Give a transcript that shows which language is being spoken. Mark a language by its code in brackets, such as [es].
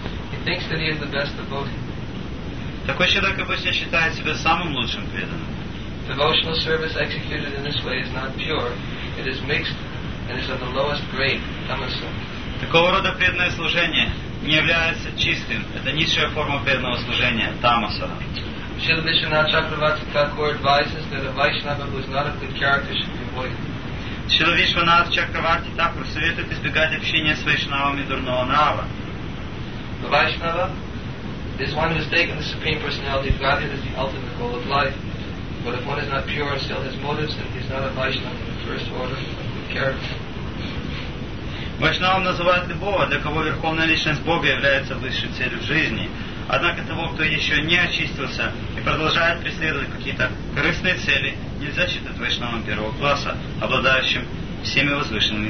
[en] He thinks that he is the best devotee. [ru] Такой человек обычно считает себя самым лучшим преданным. [en] Devotional service executed in this way is not pure, it is mixed and is of the lowest grade, tamasa. [ru] Такого рода преданное служение не является чистым, это низшая форма преданного служения, тамаса. [en] Srila Vishwanath Chakravarti Thakur advises that a Vaishnava who is not of good character should be avoided. [ru] Srila Vishwanath Chakravarti Thakur советует избегать общения с Вайшнавами дурного нрава. [en] The Vaishnava is one who has taken the Supreme Personality of Godhead as the ultimate goal of life. But if one is not pure and still has motives, then he is not a Vaishnava in the first order of good character. [ru] Вайшнавам называют любого, для кого Верховная Личность Бога является высшей целью в жизни. Однако того, кто еще не очистился и продолжает преследовать какие-то корыстные цели, нельзя считать вайшнавом первого класса, обладающим всеми возвышенными